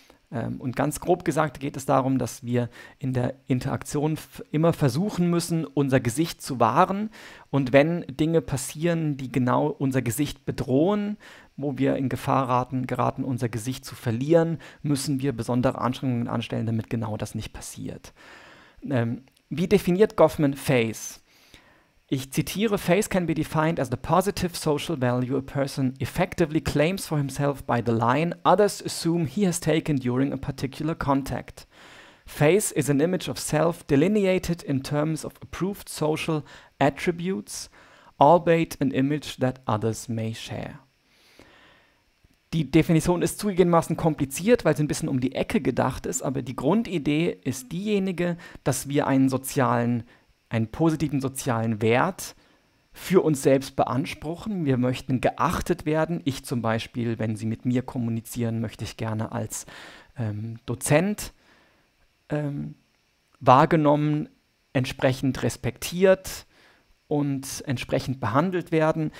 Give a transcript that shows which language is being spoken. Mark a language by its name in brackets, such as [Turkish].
[German] Und ganz grob gesagt geht es darum, dass wir in der Interaktion immer versuchen müssen, unser Gesicht zu wahren. Und wenn Dinge passieren, die genau unser Gesicht bedrohen, wo wir in Gefahr geraten, unser Gesicht zu verlieren, müssen wir besondere Anstrengungen anstellen, damit genau das nicht passiert. Wie definiert Goffman Face? Ich zitiere, [English] Face can be defined as the positive social value a person effectively claims for himself by the line others assume he has taken during a particular contact. Face is an image of self delineated in terms of approved social attributes, albeit an image that others may share. [German] Die Definition ist zugegebenermaßen kompliziert, weil sie ein bisschen um die Ecke gedacht ist, aber die Grundidee ist diejenige, dass wir einen positiven sozialen Wert für uns selbst beanspruchen. Wir möchten geachtet werden. Ich zum Beispiel, wenn Sie mit mir kommunizieren, möchte ich gerne als Dozent wahrgenommen, entsprechend respektiert und entsprechend behandelt werden.